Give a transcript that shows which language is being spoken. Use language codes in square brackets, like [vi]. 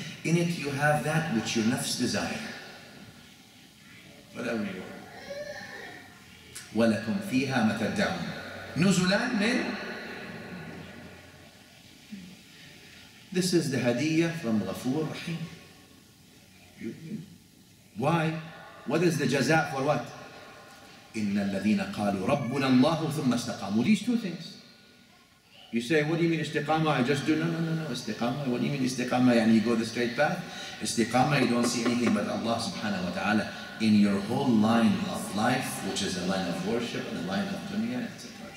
[en] In it you have that which your nafs desire. Whatever you want. وَلَكُمْ فِيهَا مَا تَدَّعُونَ نُزُلًا مِنْ This is the hadiyah from Ghafoor Rahim. Why? What is the jaza for what? [ar] إِنَّ الَّذِينَ قَالُوا رَبُّنَا اللَّهُ ثُمَّ اسْتَقَامُوا These two things. [en] You say, what do you mean istiqama? I just do, no. Istiqama, what do you mean istiqama? And you go the straight path? Istiqama, you don't see anything but Allah subhanahu wa ta'ala in your whole line of life, which is a line of worship and a line of dunya, etc.